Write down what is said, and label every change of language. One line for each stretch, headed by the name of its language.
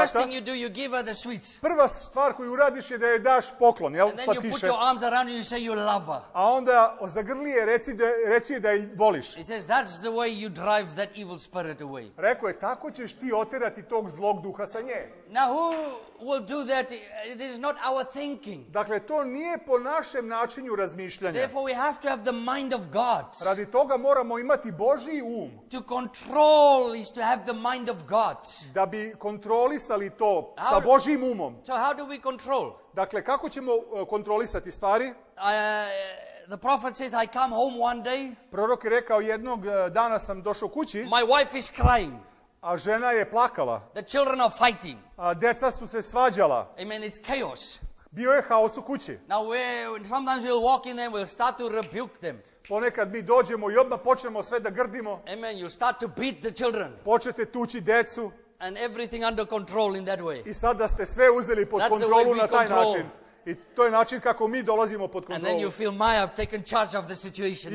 English: First thing you do, you give her the sweets.
Serbian: Prva stvar koju uradiš je da joj daš poklon, jel?
English: And then you put your arms around her and you say you love her.
Serbian: A onda zagrli je, reci da je voliš.
English: It says that's the way you drive that evil spirit away.
Serbian: Rekao je, tako ćeš ti oterati tog zlog duha sa nje.
English: Now who will do that? It is not our thinking.
Serbian: Dakle, to nije po našem načinu razmišljanja.
English: Therefore we have to have the mind of God.
Serbian: Radi toga moramo imati Božji um.
English: To control is to have the mind of God.
Serbian: Da bi kontrolisali to sa Božjim umom.
English: So how do we control?
Serbian: Dakle, kako ćemo kontrolisati stvari?
English: The prophet says, I come home one day.
Serbian: Prorok je rekao, jednog dana sam došao kući.
English: My wife is crying.
Serbian: A žena je plakala.
English: The children are fighting.
Serbian: A deca su se svađala.
English: Amen, it's chaos.
Serbian: Bio je haos u kući.
English: Now sometimes we'll walk in there, we'll start to rebuke them.
Serbian: Ponekad mi dođemo i odmah počnemo sve da grdimo.
English: Amen, you start to beat the children.
Serbian: Počete tući decu.
English: And everything under control in that way.
Serbian: I sada ste sve uzeli pod
English: That's
Serbian: kontrolu na taj
English: control.
Serbian: Način. I to je način kako mi dolazimo pod kontrolu.
English: And then you feel, my, I've taken charge of the situation.